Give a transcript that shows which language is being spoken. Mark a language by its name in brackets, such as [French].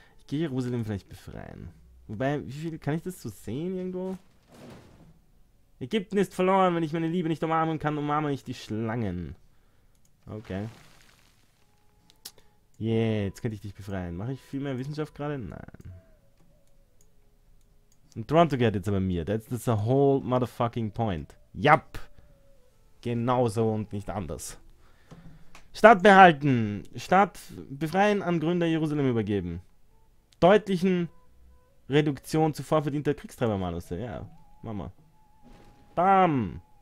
[German] Ich gehe Jerusalem vielleicht befreien. Wobei, wie viel kann ich das so sehen irgendwo? Ägypten ist verloren, wenn ich meine Liebe nicht umarmen kann, umarme ich die Schlangen. Okay. Jetzt könnte ich dich befreien. Mache ich viel mehr Wissenschaft gerade? Nein. Und Toronto gehört jetzt aber mir. [English] That's the whole motherfucking point. Yup. [German] Genau so und nicht anders. Stadt behalten. Stadt befreien, an Gründer Jerusalem übergeben. Deutlichen Reduktion zuvor verdienter Kriegstreibermalusse. Ja, Mama. Bam!